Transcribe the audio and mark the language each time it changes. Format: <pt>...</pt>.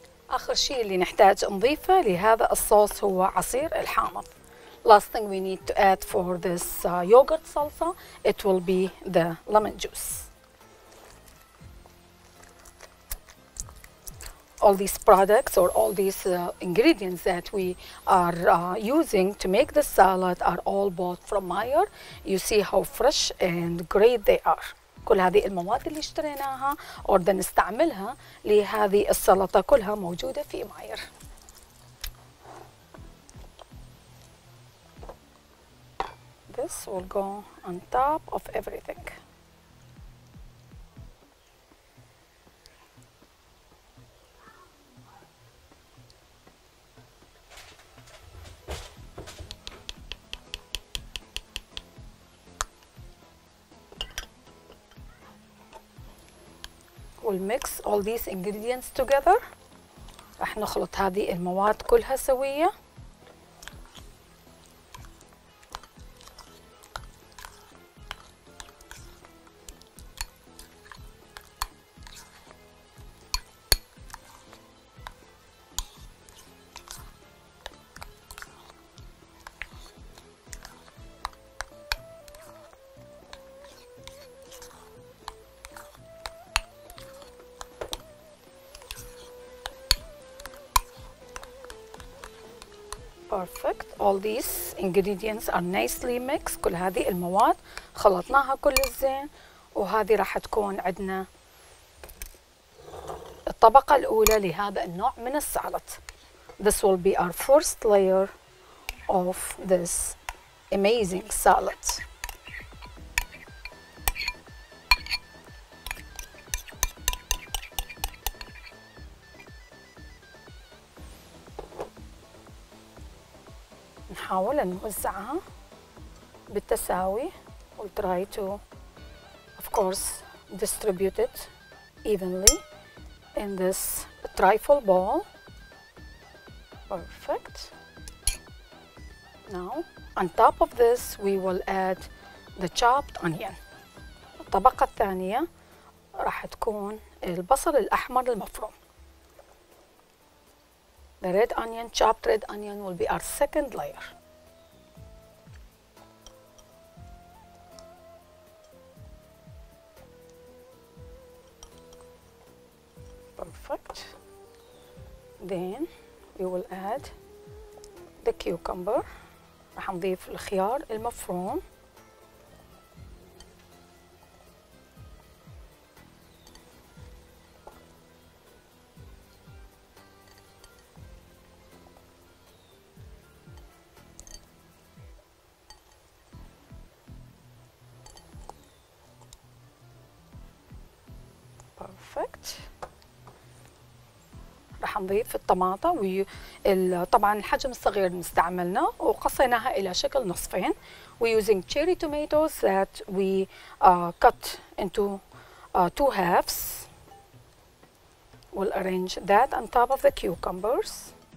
<ar>آخر شيء اللي نحتاج نضيفه لهذا الصوص هو عصير الحامض.</ar> <en>Last thing we need to add for this yogurt salsa, it will be the lemon juice. All these products or all these ingredients that we are using to make the salad are all bought from Meijer. You see how fresh and great they are.</en> <ar>كل هذه المواد اللي اشتريناها وردنا نستعملها لهذه السلطة كلها موجودة في ماير.</ar> <en>This will go on top of everything. We'll mix all these ingredients together.</en> <ar>رح نخلط هذه المواد كلها سوية.</ar> <en>Perfect. All these ingredients are nicely mixed.</en> <ar>كل هذه المواد خلطناها كل الزين وهذه راح تكون عندنا الطبقة الأولى لهذا النوع من السلطة.</ar> <en>This will be our first layer of this amazing salad.</en> <ar>نحاول نوزعها بالتساوي.</ar> <en>We'll try to, of course, distribute it evenly in this trifle ball. Perfect. Now, on top of this, we will add the chopped onion.</en> <ar>الطبقة الثانية راح تكون البصل الأحمر المفروم.</ar> <en>The red onion, chopped red onion, will be our second layer. Perfect. Then we will add the cucumber.</en> <ar>راح نضيف الخيار المفروم.</ar> <en>Perfect.</en> <ar>راح نضيف الطماطة طبعا الحجم الصغير اللي استعملنا وقصيناها إلى شكل نصفين.</ar> <en>We're using cherry tomatoes that we cut into two halves. We'll arrange that on top of the cucumbers.</en>